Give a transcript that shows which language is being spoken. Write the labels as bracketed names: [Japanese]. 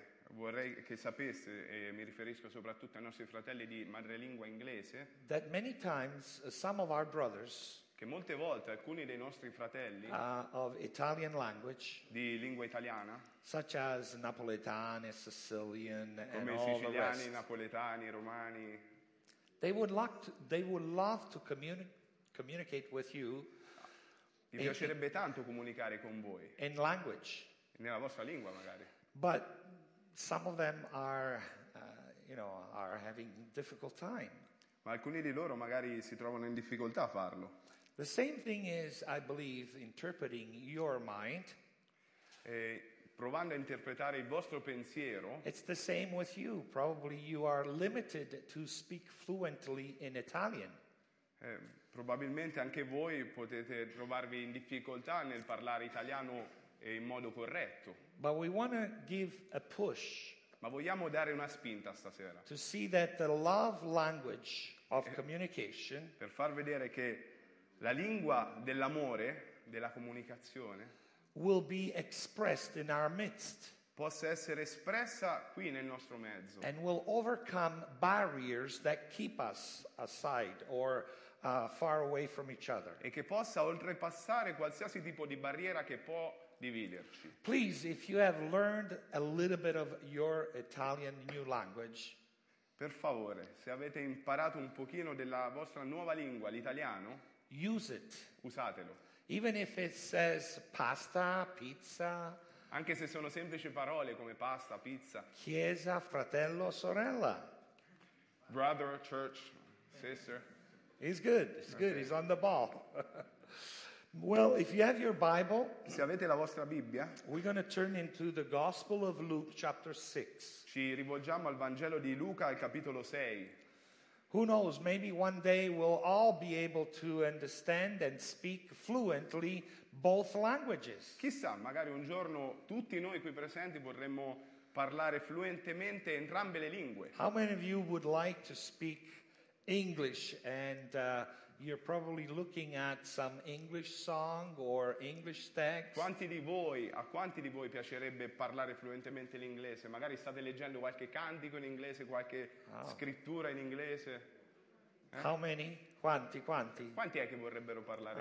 [Italian] Vorrei che sapeste, e mi riferisco soprattutto ai nostri fratelli di madrelingua inglese. [English] That many times some of our brothers, [Italian] che molte volte alcuni dei nostri fratelli [English] of Italian language, [Italian] di lingua italiana, [English] such as Napoletani, Sicilian, [Italian] come [English] and all [Italian] siciliani, [English] the rest, [Italian] napoletani, romani. [English] They would love to communicate with you. [Italian] Mi piacerebbe tanto comunicare con voi. [English] In language. [Italian] Nella vostra lingua, magari. [English] But some of them are, are having difficult time. [Italian] Ma alcuni di loro magari si trovano in difficoltà a farlo. [English] The same thing is, I believe, interpreting your mind. [Italian] E provando a interpretare il vostro pensiero. [English] It's the same with you. Probably you are limited to speak fluently in Italian. [Italian] Probabilmente anche voi potete trovarvi in difficoltà nel parlare italiano in modo corretto. [English] But we want to give a push. [Italian] Ma vogliamo dare una spinta stasera. [English] To see that the love language of communication. [Italian] Per far vedere che la lingua dell'amore, della comunicazione, [English] will be expressed in our midst, [Italian] possa essere espressa qui nel nostro mezzo, [English] and will overcome barriers that keep us aside or far away from each other, [Italian] e che possa oltrepassare qualsiasi tipo di barriera che può dividerci. [English] Please, if you have learned a little bit of your Italian new language, [Italian] per favore, se avete imparato un pochino della vostra nuova lingua, l'italiano, [English] use it. [Italian] Usatelo. [English] Even if it says pasta, pizza, [Italian] anche se sono semplici parole come pasta, pizza, chiesa, fratello, sorella, [English] brother, church, sister, it's good, it's okay. Good, he's on the ball. Well, if you have your Bible, [Italian] se avete la vostra Bibbia, [English] we're going to turn into the Gospel of Luke, chapter 6. [Italian] Ci rivolgiamo al Vangelo di Luca, al capitolo 6. [English] Who knows, maybe one day we'll all be able to understand and speak fluently both languages. [Italian] Chissà, magari un giorno tutti noi qui presenti vorremmo parlare fluentemente entrambe le lingue. [English] How many of you would like to speak English, and you're probably looking at some English song or English text. [Italian] A quanti di voi piacerebbe parlare fluentemente l'inglese? Magari state leggendo qualche cantico in inglese, qualche scrittura in inglese. [English] How many? [Italian] Quanti? Quanti è che vorrebbero parlare?